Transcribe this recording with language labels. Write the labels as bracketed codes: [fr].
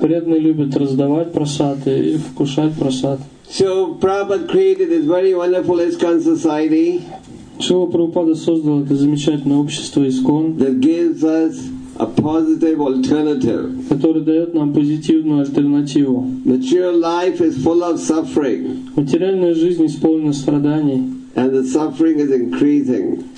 [ru] Преданные любят раздавать прасад и вкушать прасад. [en] So Prabhupada created this very wonderful ISKCON society. [ru] Шрила Прабхупада создал это замечательное общество ISKCON. [en] That gives us a positive alternative. [ru] Которое дает нам позитивную альтернативу. [en] Material life is full of suffering. [ru] Материальная жизнь исполнена страданий. [en] And the suffering is increasing.